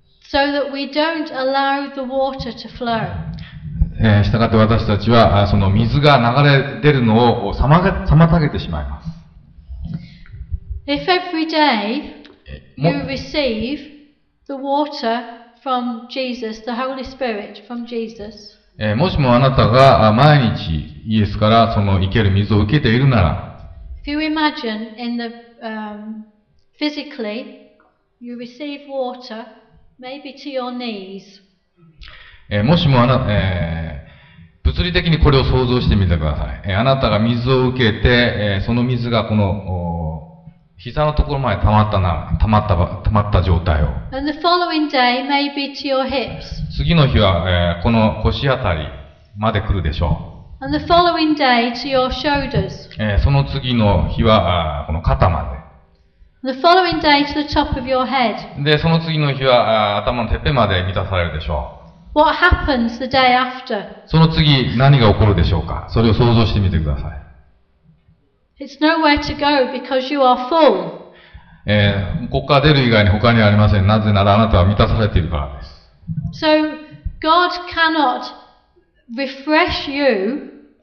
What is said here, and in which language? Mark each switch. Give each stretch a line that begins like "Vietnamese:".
English: So that we don't allow the water to flow.
Japanese: したがって私たちはその水が流れ出るのを妨げてしまいます。
English: If every day you receive the water from Jesus, the Holy Spirit from Jesus,
Japanese: もしもあなたが毎日イエスからその生ける水を受けているなら、
English: If you imagine in the, physically, you receive water, maybe to your knees.
Japanese: もしもあなた、物理的にこれを想像してみてください。あなたが水を受けて、その水がこの、膝のところまで溜まった状態を。
English: And the following day, maybe to your hips.
Japanese: 次の日は、この腰あたりまで来るでしょう。
English: And the following day, to your shoulders.
Japanese: その次の日は、この肩まで。
English: And the following day, to the top of your head.
Japanese: で、その次の日は、頭のてっぺんまで満たされるでしょう。
English: What happens the day after?
Japanese: その次、何が起こるでしょうか。それを想像してみてください。
English: It's nowhere to go because you are full.
Japanese: ここから出る以外に他にありません。なぜならあなたは満たされているからです。
English: So God cannot refresh you.